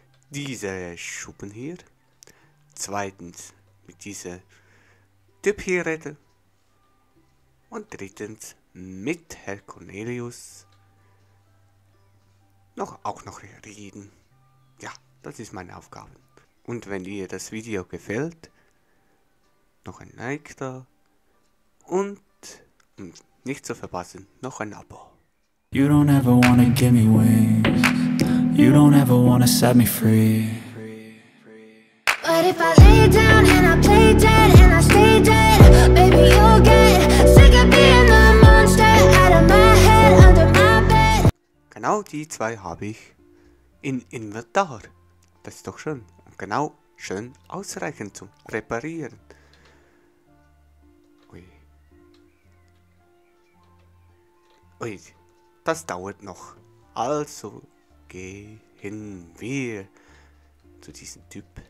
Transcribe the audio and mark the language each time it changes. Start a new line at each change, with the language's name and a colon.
German: Diese Schuppen hier, zweitens mit dieser Typ hier reden und drittens mit Herr Cornelius auch noch reden. Ja, das ist meine Aufgabe. Und wenn dir das Video gefällt, noch ein Like da. Und um nicht zu verpassen, noch ein Abo.
English: You don't ever wanna give me wings. You don't ever wanna set me free. But if I lay down and I play dead and I stay dead, baby, you'll get sick of being the monster out of my head, under my bed.
German: Genau die zwei habe ich in Inventar. Das ist doch schön. Genau, schön ausreichend zum Reparieren. Ui. Ui, das dauert noch. Also gehen wir zu diesem Typ.